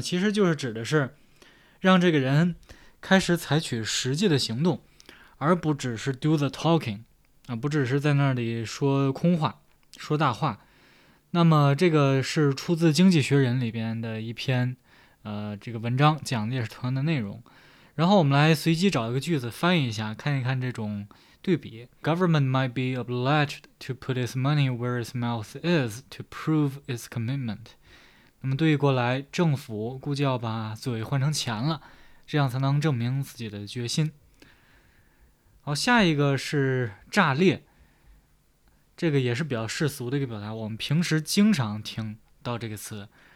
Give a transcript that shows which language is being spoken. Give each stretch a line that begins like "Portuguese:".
Chinese: 其实就是指的是让这个人开始采取实际的行动，而不只是
English: do the talking，
Chinese: 不只是在那里说空话，说大话。那么这个是出自经济学人里边的一篇这个文章，讲的也是同样的内容。然后我们来随机找一个句子翻译一下，看一看这种对比。
English: Government might be obliged to put its money where its mouth is to prove its commitment。
Chinese: 那么对过来，政府估计要把嘴换成钱了，这样才能证明自己的决心。好，下一个是炸裂，这个也是比较世俗的一个表达，我们平时经常听到这个词。